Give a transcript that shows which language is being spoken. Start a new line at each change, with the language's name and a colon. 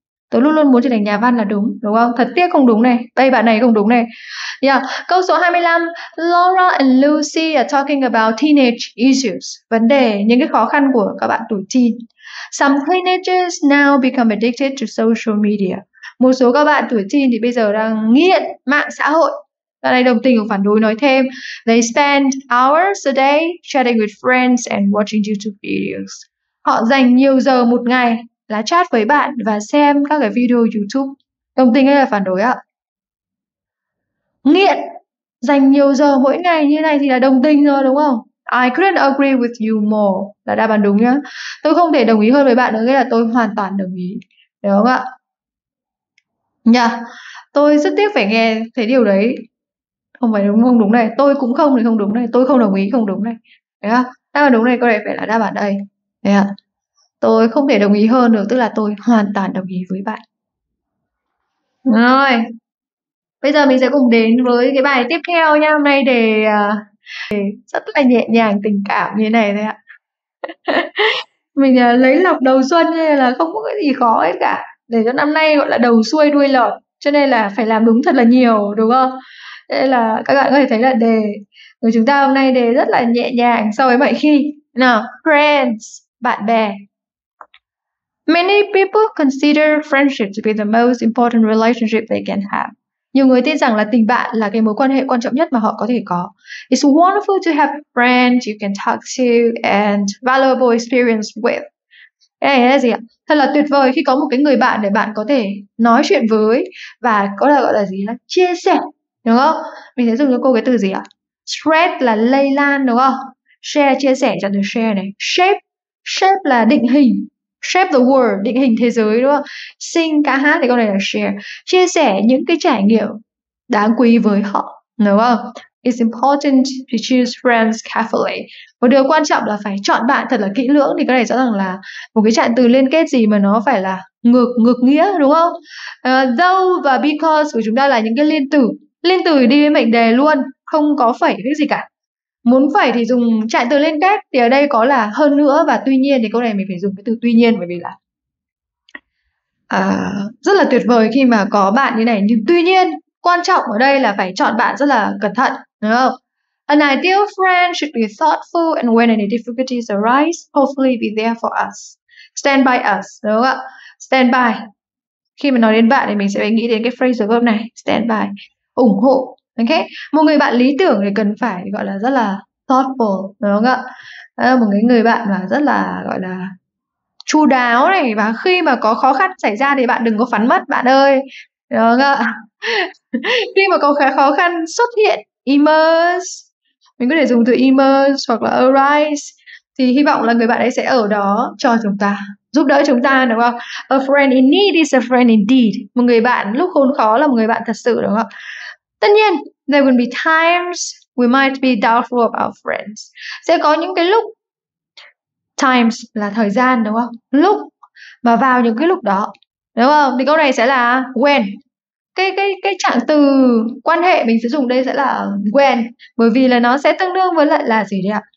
Vietnamese: Tớ luôn luôn muốn trở thành nhà văn là đúng, đúng không? Thật tiếc không đúng này. Đây bạn này không đúng này. Câu số 25,
English: Laura and Lucy are talking about teenage issues.
Vietnamese: Vấn đề những cái khó khăn của các bạn tuổi teen.
English: Some teenagers now become addicted to social media.
Vietnamese: Một số các bạn tuổi teen thì bây giờ đang nghiện mạng xã hội. Bạn này đồng tình hoặc phản đối, nói thêm.
English: They spend hours a day chatting with friends and watching YouTube videos.
Vietnamese: Họ dành nhiều giờ một ngày là chat với bạn và xem các cái video YouTube. Đồng tình hay là phản đối ạ? Nghiện, dành nhiều giờ mỗi ngày như này thì là đồng tình rồi đúng không?
English: I couldn't agree with you more
Vietnamese: là đáp án đúng nhá. Tôi không thể đồng ý hơn với bạn nữa, nghĩa là tôi hoàn toàn đồng ý. Đúng không ạ? Tôi rất tiếc phải nghe thấy điều đấy. Không phải đúng không đúng này. Tôi cũng không thì không đúng này. Tôi không đồng ý không đúng này. Đấy không? Đáp án đúng này có lẽ phải là đáp án đây. Đấy không? Tôi không thể đồng ý hơn được, tức là tôi hoàn toàn đồng ý với bạn. Rồi. Bây giờ mình sẽ cùng đến với cái bài tiếp theo nha. Hôm nay đề rất là nhẹ nhàng tình cảm như thế này thôi ạ. Mình lấy lọc đầu xuân nên là không có cái gì khó hết cả. Để cho năm nay gọi là đầu xuôi đuôi lọt. Cho nên là phải làm đúng thật là nhiều, đúng không? Nên là các bạn có thể thấy là đề của chúng ta hôm nay đề rất là nhẹ nhàng so với mọi khi. Nào, friends, bạn bè.
English: Many people consider friendship to be the most important relationship they can have.
Vietnamese: Nhiều người tin rằng là tình bạn là cái mối quan hệ quan trọng nhất mà họ có thể có.
English: It's wonderful to have friends you can talk to and valuable experience with.
Vietnamese: Cái này là gì ạ? Thật là tuyệt vời khi có một cái người bạn để bạn có thể nói chuyện với và có là gọi là gì, là chia sẻ, đúng không? Mình sẽ dùng cho cô cái từ gì ạ? Spread là lây lan, đúng không? Share, chia sẻ cho từ share này. Shape, shape là định hình.
English: Shape the world,
Vietnamese: định hình thế giới, đúng không? Sing, ca hát thì câu này là share. Chia sẻ những cái trải nghiệm đáng quý với họ, đúng không?
English: It's important to choose friends carefully.
Vietnamese: Một điều quan trọng là phải chọn bạn thật là kỹ lưỡng. Thì cái này rõ ràng là một cái trạng từ liên kết gì mà nó phải là ngược ngược nghĩa, đúng không? Though và because của chúng ta là những cái liên từ. Liên từ đi với mệnh đề luôn, không có phẩy cái gì cả. Muốn phẩy thì dùng trạng từ liên kết. Thì ở đây có là hơn nữa và tuy nhiên. Thì câu này mình phải dùng cái từ tuy nhiên, bởi vì là rất là tuyệt vời khi mà có bạn như này. Nhưng tuy nhiên, quan trọng ở đây là phải chọn bạn rất là cẩn thận. Đúng không?
English: An ideal friend should be thoughtful and when any difficulties arise, hopefully be there for us. Stand by us.
Vietnamese: Đúng không ạ?
English: Stand by.
Vietnamese: Khi mà nói đến bạn thì mình sẽ phải nghĩ đến cái phrasal verb này.
English: Stand by.
Vietnamese: Ủng hộ. Ok? Một người bạn lý tưởng thì cần phải gọi là rất là thoughtful. Đúng không ạ? Một cái người bạn mà rất là gọi là chu đáo này. Và khi mà có khó khăn xảy ra thì bạn đừng có phắn mất, bạn ơi. Đúng không ạ? Khi mà có khó khăn xuất hiện, emerge, mình có thể dùng từ emerge hoặc là arise, thì hy vọng là người bạn ấy sẽ ở đó cho chúng ta, giúp đỡ chúng ta, đúng không?
English: A friend in need is a friend indeed.
Vietnamese: Một người bạn lúc khốn khó là một người bạn thật sự, đúng không? Tất nhiên,
English: there will be times we might be doubtful about friends.
Vietnamese: Sẽ có những cái lúc, times là thời gian, đúng không? Lúc mà vào những cái lúc đó, đúng không? Thì câu này sẽ là when. Cái trạng từ quan hệ mình sử dụng đây sẽ là when, bởi vì là nó sẽ tương đương với lại là gì đấy ạ?